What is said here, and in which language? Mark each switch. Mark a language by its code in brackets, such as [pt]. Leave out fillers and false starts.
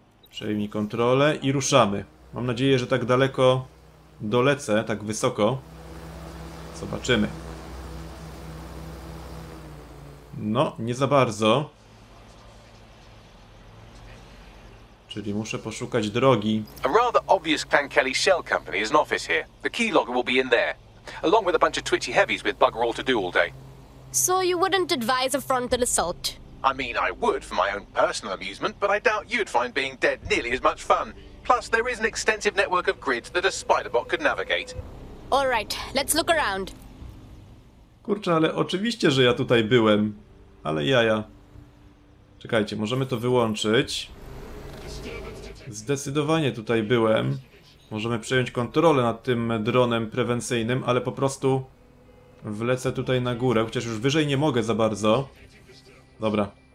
[pl] Przejmij kontrolę i ruszamy. Mam nadzieję, że tak daleko dolecę, tak wysoko. Zobaczymy. No, nie za bardzo. Czyli muszę poszukać drogi. [en] A rather obvious Clan Kelly shell company is an office here. The keylogger will be in there, along with a bunch of twitchy heavies with bugger all to do all day. So you wouldn't advise a frontal assault? I mean, I would for my own personal amusement, but I doubt you'd find being dead nearly as much fun. Plus, there is an extensive network of grids that a spiderbot could navigate. All right, let's look around. [pl] Kurczę, ale oczywiście, że ja tutaj byłem. Ale jaja. Czekajcie, możemy to wyłączyć. Zdecydowanie tutaj byłem. Możemy przejąć kontrolę nad tym dronem prewencyjnym, ale po prostu wlecę tutaj na górę, chociaż już wyżej nie mogę za bardzo. Dobra.